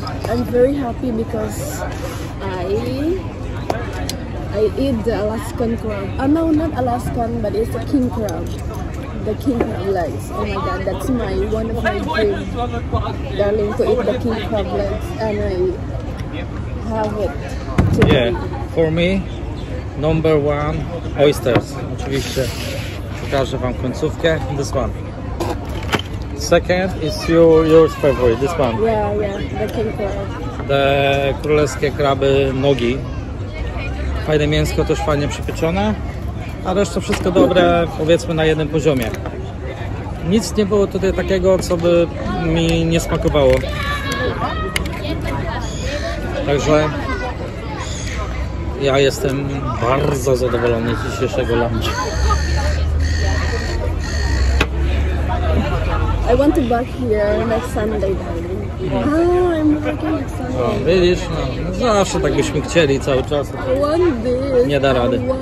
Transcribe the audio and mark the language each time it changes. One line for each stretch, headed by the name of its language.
English: I'm very happy because I eat the Alaskan crab. Oh no, not Alaskan, but it's a king crab. the king crab legs. Oh my god, that's my one of my favorite darling to eat the king crab legs, and I have it today. Yeah, for me, number one, oysters.
Polish: Oczywiście pokażę wam końcówkę.
English: This one. Second is your favorite, this one. Yeah, the king crab.
Polish: The królewskie kraby nogi. Fajne mięsko, też fajnie przypieczone. A reszta wszystko dobre, powiedzmy na jednym poziomie. Nic nie było tutaj takiego, co by mi nie smakowało. Także ja jestem bardzo zadowolony z dzisiejszego lunchu.
English: I want to back here next Sunday, darling. I'm working next Sunday.
Polish: Widzisz, no, zawsze tak byśmy chcieli cały czas. Nie da rady.